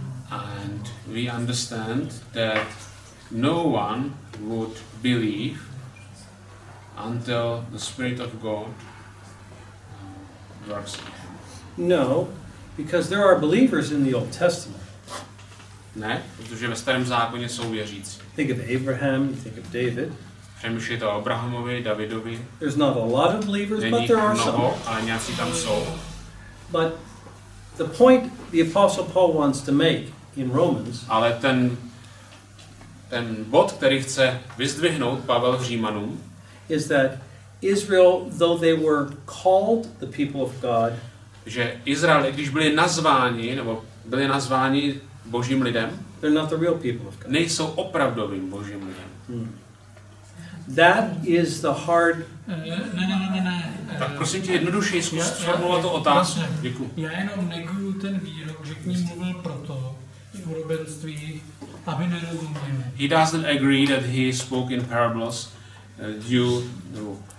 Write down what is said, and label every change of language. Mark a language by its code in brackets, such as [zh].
[en] And we understand that no one would believe until the Spirit of God works. No, because there are believers in the Old Testament. [cs] Ne, protože ve Starém zákoně jsou věřící. [en] Think of Abraham, think of David. [cs] Přemýšlejte o Abrahamovi, Davidovi. [en] There's not a lot of believers, [cs] není [en] but there are [cs] mnoho, [en] some. [cs] Ale nějací tam jsou. [en] But the point the Apostle Paul wants to make in Romans. [cs] Ale ten bod, který chce vyzdvihnout Pavel v Římanům, [en] is that Israel, though they were called the people of God, [cs] že Izrael, když byli nazváni, nebo byli nazváni Božím lidem, [en] they're not the real people of God. [cs] Nejsou opravdovým Božím lidem. [en] That is the hard... [cs] Ne. Tak prosím tě, jednodušeji zkus sformulovat tu otázku. Děkuji. Já jenom neguju ten výrok, že k ním mluvil proto, v podobenství, aby nerozuměli. [en] He doesn't agree that he spoke in parables due to...